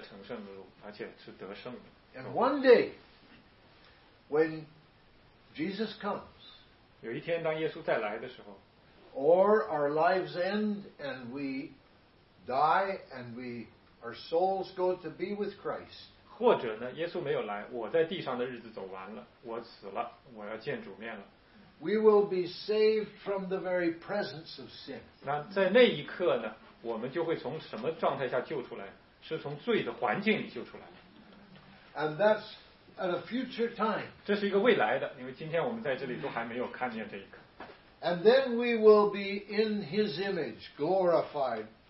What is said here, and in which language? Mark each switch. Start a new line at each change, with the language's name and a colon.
Chinese: 所以当我们顺服里面的灵的圣灵的时候呢，我们的祷告啊，高天之上的大祭司耶稣就是会替我们代求了，然后神的能力就会带着我们走完这成圣的路，而且是得胜的。
English: And one day, when Jesus comes.
Chinese: 有一天当耶稣再来的时候,
English: or our lives end and we die and our souls go to be with Christ.
Chinese: 或者呢，耶稣没有来，我在地上的日子走完了，我死了，我要见主面了。
English: We will be saved from the very presence of sin.
Chinese: 那在那一刻呢，我们就会从什么状态下救出来？是从罪的环境里救出来。
English: And that's at a future time.
Chinese: 这是一个未来的，因为今天我们在这里都还没有看见这一刻。
English: And then we will be in His image, glorified.